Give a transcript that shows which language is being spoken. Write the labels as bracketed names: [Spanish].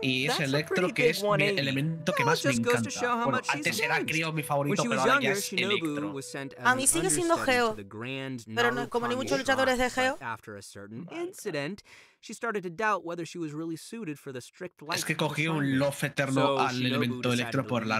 [Spanish] Y es electro que es mi elemento que más me encanta. Bueno, antes era creo mi favorito, pero ahora ya es electro. A mí sigue siendo Geo, pero no, como ni muchos luchadores de Geo. [English] After a certain incident, she started to doubt whether she was really suited for the strict life. [Spanish] Es que cogí un love eterno al elemento electro por la